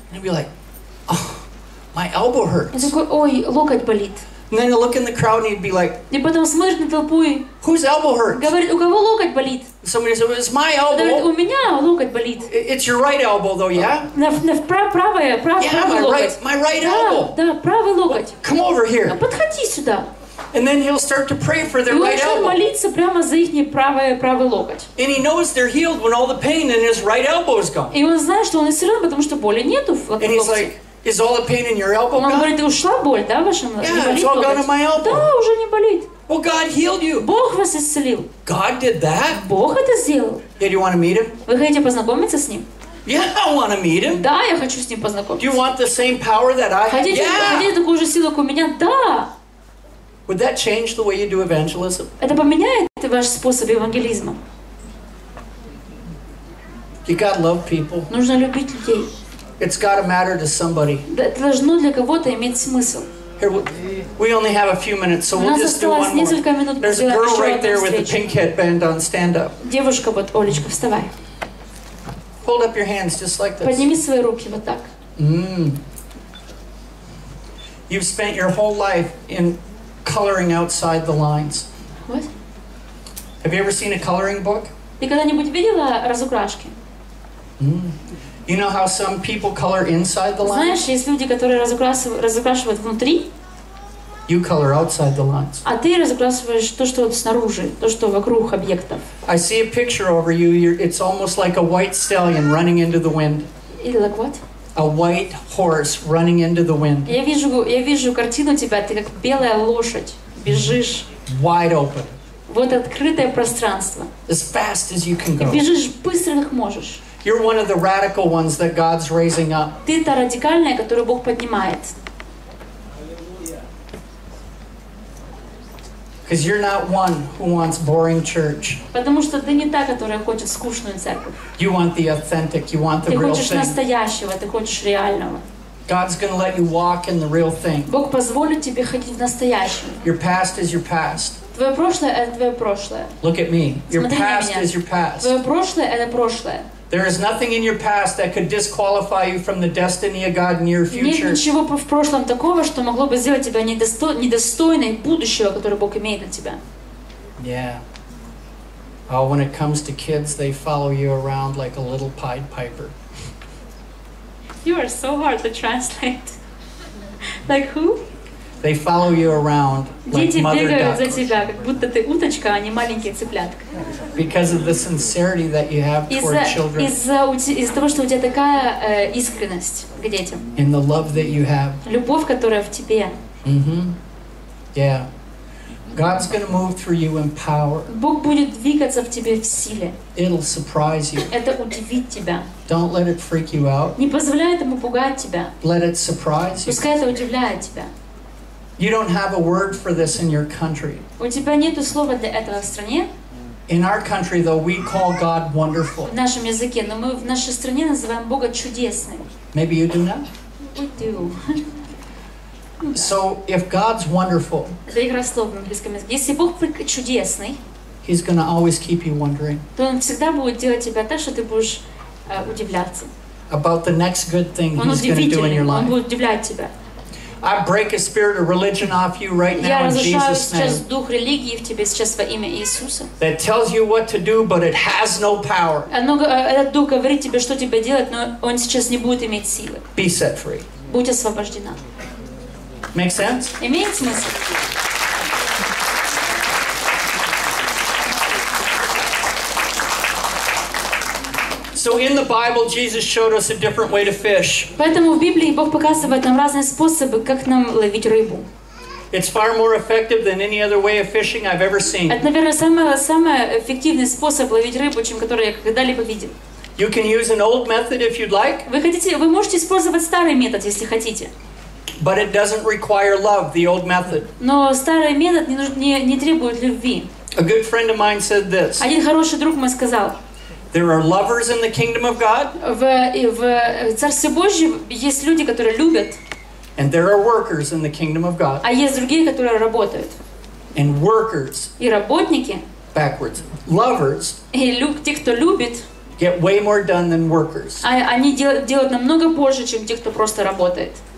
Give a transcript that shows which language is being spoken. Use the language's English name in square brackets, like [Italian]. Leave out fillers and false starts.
[English] And he'll be like, "Oh, my elbow hurts." [Russian] И такой, ой, локоть болит. [English] And then he'll look in the crowd and he'd be like, [Russian] и потом смотрит на толпу и [English] "Whose elbow hurts?" [Russian] Говорит, у кого локоть болит? [English] Somebody says, "It's my elbow." [Russian] Говорит, у меня локоть болит. [English] It's your right elbow, though, yeah? My right elbow. [Russian] Да, правый локоть. [English] Well, come over here. [Russian] Подходи сюда. [English] And then he'll start to pray for their right elbow. [Russian] Молиться прямо за их правый локоть. [English] And he knows they're healed when all the pain in his right elbow is gone. [Russian] И он знает, что он исцелен, потому что боли нету в локте. [English] And he's like, "Is all the pain in your elbow gone?" [Russian] Он говорит, ушла боль, да, в вашем локте? [English] Yeah, it's all gone in my elbow. [Russian] Да, уже не болит. [English] Well, God healed you. [Russian] Бог вас исцелил. [English] God did that. [Russian] Бог это сделал. [English] Yeah, do you want to meet him? [Russian] Вы хотите познакомиться с ним? [English] Yeah, I want to meet him. [Russian] Да, я хочу с ним познакомиться. [English] Do you want the same power that I have? [Russian] Хотите такую же силу, как у меня? Да. [English] Would that change the way you do evangelism? [Russian] Это поменяет ваш способ евангелизма. [English] You gotta love people. [Russian] Нужно любить людей. [English] It's gotta matter to somebody. [Russian] Это должно для кого-то иметь смысл. [English] Here, we only have a few minutes, so we'll just do one more. There's a girl right there with the pink headband on. Stand up. [Russian] Девушка, вот Олечка, вставай. [English] Hold up your hands just like this. [Russian] Подними свои руки вот так. [English] You've spent your whole life in coloring outside the lines. What? Have you ever seen a coloring book? [Russian] Ты когда-нибудь видела разукрашки? [English] You know how some people color inside the lines? [Russian] Знаешь, есть люди, которые разукрашивают внутри. [English] You color outside the lines. [Russian] А ты разукрашиваешь то, что снаружи, то, что вокруг объектов. [English] I see a picture over you. It's almost like a white stallion running into the wind. It's like what? A white horse running into the wind. [Russian] Я вижу картину тебя, ты как белая лошадь бежишь. [English] Wide open. [Russian] Вот открытое пространство. [English] As fast as you can go. [Russian] И бежишь быстро, как можешь. [English] You're one of the radical ones that God's raising up. [Russian] Ты та радикальная, которую Бог поднимает. [English] Because you're not one who wants boring church. [Russian] Потому что ты не та, которая хочет скучную церковь. [English] You want the authentic. You want the real thing. [Russian] Ты хочешь настоящего. Ты хочешь реального. [English] God's going to let you walk in the real thing. [Russian] Бог позволит тебе ходить в настоящем. [English] Your past is your past. [Russian] Твое прошлое — это твое прошлое. [English] Look at me. Your past is your past. [Russian] Твое прошлое — это прошлое. [English] There is nothing in your past that could disqualify you from the destiny of God in your future. [Russian] Нет ничего в прошлом такого, что могло бы сделать тебя недостойной будущего, которое Бог имеет на тебя. [English] Yeah. Oh, when it comes to kids, they follow you around like a little Pied Piper. You are so hard to translate. Like who? They follow you around like mother ducks. Because of the sincerity that you have toward children. [Russian] Из-за того, что у тебя такая искренность к детям. [English] In the love that you have. [Russian] Любовь, которая в тебе. [English] Mm-hmm. Yeah. God's going to move through you in power. [Russian] Бог будет двигаться в тебе в силе. [English] It'll surprise you. [Russian] Это удивит тебя. [English] Don't let it freak you out. [Russian] Не позволяй этому пугать тебя. [English] Let it surprise you. [Russian] Пускай это удивляет тебя. [English] You don't have a word for this in your country. [Russian] У тебя нету слова для этого в стране. [English] In our country, though, we call God wonderful. [Russian] В нашем языке, но мы в нашей стране называем Бога чудесным. [English] Maybe you do not. We do. So if God's wonderful, [Russian] если Бог чудесный, [English] He's going to always keep you wondering. [Russian] То Он всегда будет делать тебя так, что ты будешь удивляться. [English] About the next good thing He's going to do in your life. [Russian] Он будет удивлять тебя. [English] I break a spirit of religion off you right now in Jesus' name. [Russian] Я разрушаю дух религии в тебе сейчас во имя Иисуса. [English] That tells you what to do, but it has no power. [Russian] Этот дух говорит тебе, что тебе делать, но он сейчас не будет иметь силы. [English] Be set free. [Russian] Будь освобождена. [English] Make sense? [Russian] Имеет смысл. [English] So in the Bible, Jesus showed us a different way to fish. [Russian] Поэтому в Библии Бог показывает нам разные способы, как нам ловить рыбу. [English] It's far more effective than any other way of fishing I've ever seen. [Russian] Это, наверное, самый эффективный способ ловить рыбу, чем который я когда-либо видел. [English] You can use an old method if you'd like. [Russian] Вы можете использовать старый метод, если хотите. [English] But it doesn't require love, the old method. [Russian] Но старый метод не требует любви. [English] A good friend of mine said this. [Russian] Один хороший друг мой сказал. [English] There are lovers in the kingdom of God. [Russian] В Царстве Божьем есть люди, которые любят. [English] And there are workers in the kingdom of God. [Russian] А есть другие, которые работают. [English] And workers. [Russian] И работники. [English] Backwards. Lovers. [Russian] И те, кто любит. [English] Get way more done than workers. [Russian] Они делают намного больше, чем те, кто просто работает.